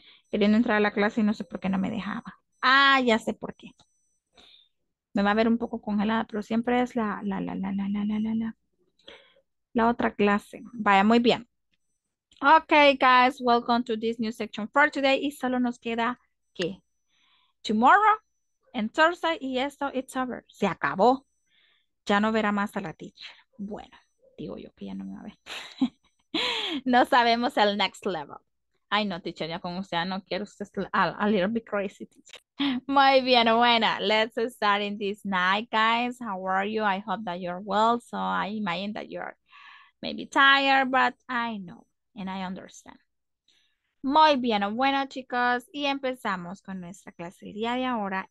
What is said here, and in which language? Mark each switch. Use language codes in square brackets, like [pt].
[es] Queriendo entrar a la clase y no sé por qué no me dejaba. Ah, ya sé por qué. Me va a ver un poco congelada, pero siempre es la otra clase. Vaya, muy bien. [en] Ok, guys, welcome to this new section for today. [es] Y solo nos queda que [en] tomorrow and Thursday [es] y esto, [en] it's over. [es] Se acabó. Ya no verá más a la teacher. Bueno, digo yo que ya no me va a ver. No sabemos el [en] next level. [es] Ay, no, teacher, ya con usted no quiero. Usted es [en] a little bit crazy, teacher. [es] Muy bien, bueno, [en] let's start in this night, guys. How are you? I hope that you're well. So I imagine that you're maybe tired, but I know and I understand. [es] Muy bien, bueno, chicos, y empezamos con nuestra clase del día de ahora.